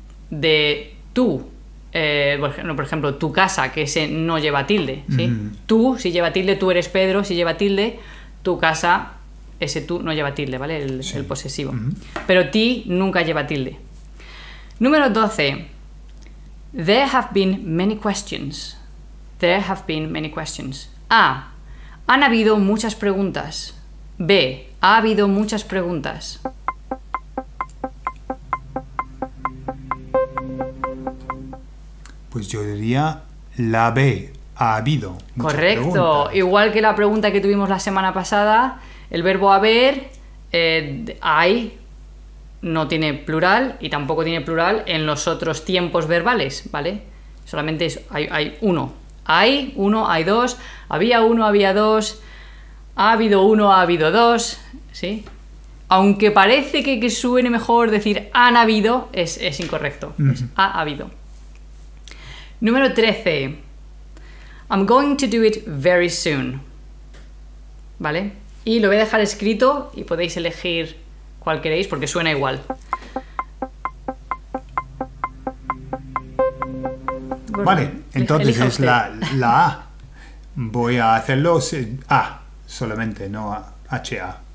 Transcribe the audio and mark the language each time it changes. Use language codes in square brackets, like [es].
[es] de tú, por ejemplo, tu casa, que ese no lleva tilde, ¿sí? Mm-hmm. Tú, si lleva tilde, tú eres Pedro, si lleva tilde, tu casa, ese tú no lleva tilde, ¿vale? El, sí, el posesivo. Mm-hmm. Pero ti nunca lleva tilde. Número 12. [en] There have been many questions. There have been many questions. A. [es] Han habido muchas preguntas. B. Ha habido muchas preguntas. Pues yo diría la B, ha habido. Correcto, igual que la pregunta que tuvimos la semana pasada, el verbo haber, hay, no tiene plural y tampoco tiene plural en los otros tiempos verbales, ¿vale? Solamente es, hay uno. Hay uno, hay dos, había uno, había dos, ha habido uno, ha habido dos, ¿sí? Aunque parece que suene mejor decir han habido, es incorrecto, uh-huh, es ha habido. Número 13. [en] I'm going to do it very soon. [es] ¿Vale? Y lo voy a dejar escrito y podéis elegir cuál queréis porque suena igual. Correcto. Vale, entonces es la A. Voy a hacerlo A solamente, no a H-A.